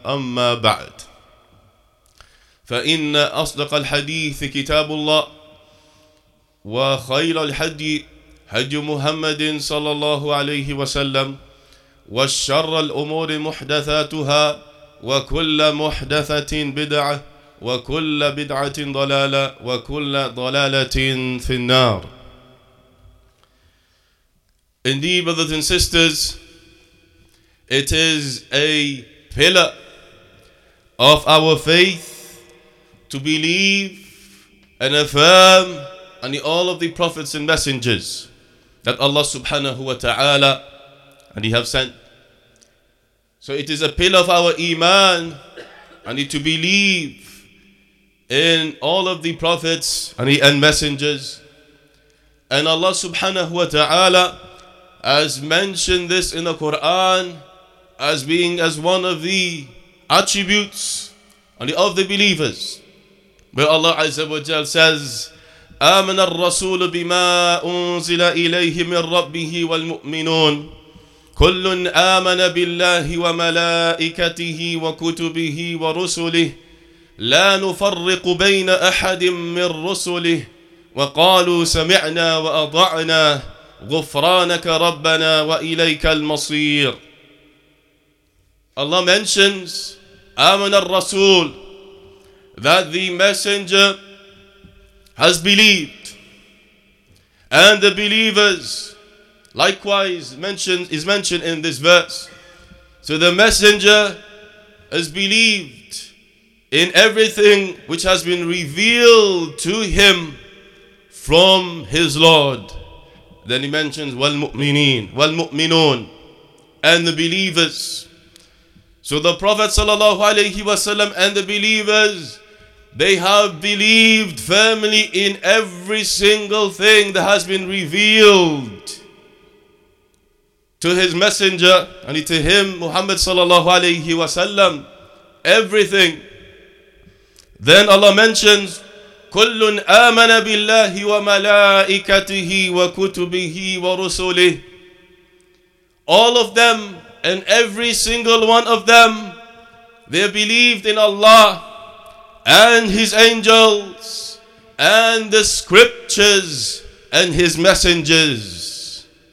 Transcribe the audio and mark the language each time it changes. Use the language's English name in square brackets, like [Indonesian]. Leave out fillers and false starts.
[Arabic] أما بعد، فإن أصدق الحديث كتاب الله، وخير الهدي هدي محمد صلى الله عليه وسلم، وشر الأمور محدثاتها، وكل محدثة بدعة، وكل بدعة ضلالة، وكل ضلالة في النار. [English] Indeed, brothers and sisters, it is a pillar of our faith to believe and affirm on all of the prophets and messengers that Allah subhanahu wa ta'ala and He have sent. So it is a pillar of our iman and to believe in all of the prophets and messengers. And Allah subhanahu wa ta'ala has mentioned this in the Quran as being as one of the attributes of the believers. But Allah Azza wa Jal says, [Arabic] آمن الرسول بما أنزل إليه من ربه والمؤمنون كل آمن بالله وملائكته وكتبه ورسله لا نفرق بين أحد من رسله وقالوا سمعنا وأضعنا غفرانك ربنا وإليك المصير. [English] Allah mentions [Arabic] آمن الرسول, [English] that the messenger has believed, and the believers likewise is mentioned in this verse. So the messenger has believed in everything which has been revealed to him from his Lord. Then he mentions wal mu'minun, and the believers. So the Prophet sallallahu alaihi wasallam and the believers, they have believed firmly in every single thing that has been revealed to his messenger and to him, Muhammad sallallahu alayhi wa sallam. Everything. [Arabic] Then Allah mentions, كُلٌّ آمَنَ بِاللَّهِ وَمَلَائِكَتِهِ وَكُتُبِهِ وَرُسُولِهِ. [English] All of them and every single one of them, they believed in Allah and His angels, and the scriptures, and His messengers.